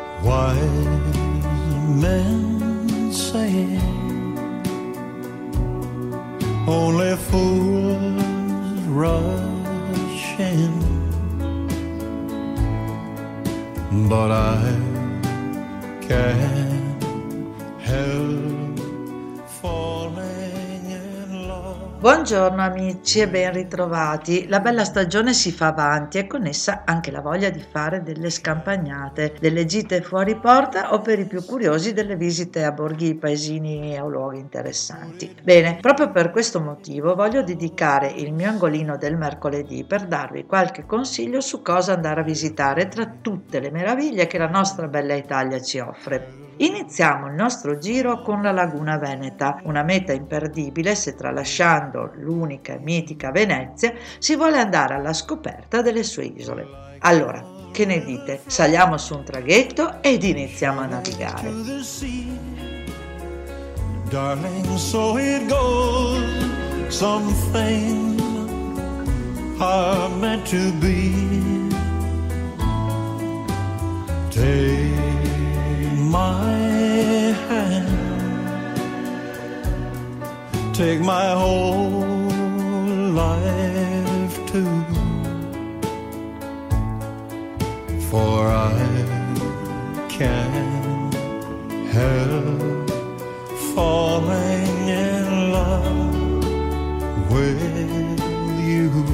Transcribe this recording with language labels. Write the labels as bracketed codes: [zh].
[en] wise men say, only fools rush in, but I can't help falling in love. [it] Buongiorno amici e ben ritrovati. La bella stagione si fa avanti e con essa anche la voglia di fare delle scampagnate, delle gite fuori porta o per i più curiosi delle visite a borghi, paesini o luoghi interessanti. Bene, proprio per questo motivo voglio dedicare il mio angolino del mercoledì per darvi qualche consiglio su cosa andare a visitare tra tutte le meraviglie che la nostra bella Italia ci offre. Iniziamo il nostro giro con la Laguna Veneta, una meta imperdibile se tralasciando l'unica e mitica Venezia si vuole andare alla scoperta delle sue isole. Allora, che ne dite? Saliamo su un traghetto ed iniziamo a navigare. [en] Darling, so it goes, something are meant to be. Take my hand, take my whole life too, for I can't help falling in love with you.